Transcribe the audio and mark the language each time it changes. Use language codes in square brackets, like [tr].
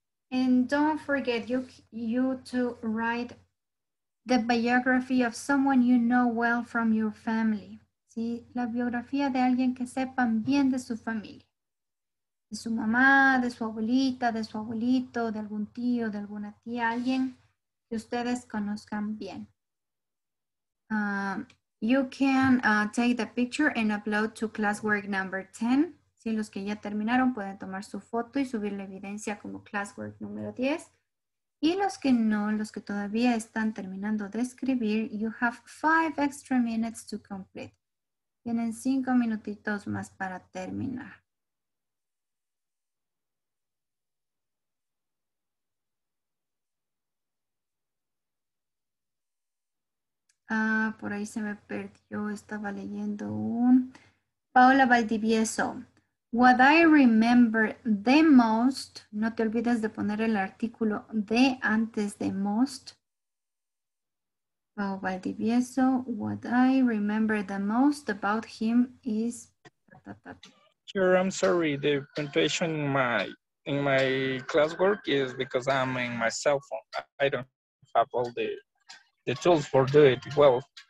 [en] And don't forget you to write the biography of someone you know well from your family. [es] ¿Sí? La biografía de alguien que sepan bien de su familia. De su mamá, de su abuelita, de su abuelito, de algún tío, de alguna tía, alguien que ustedes conozcan bien. [en] You can take the picture and upload to classwork number 10. [es] Sí, los que ya terminaron pueden tomar su foto y subir la evidencia como classwork número 10. Y los que no, los que todavía están terminando de escribir, [en] you have 5 extra minutes to complete. [es] Tienen 5 minutitos más para terminar. Ah, por ahí se me perdió. Estaba leyendo un... [en] Paola Valdivieso. What I remember the most... [es] No te olvides de poner el artículo de antes de most. Paola Valdivieso. [en] What I remember the most about him is... Sure, I'm sorry. The punctuation in my classwork is because I'm in my cell phone. I don't have all the tools for do it well.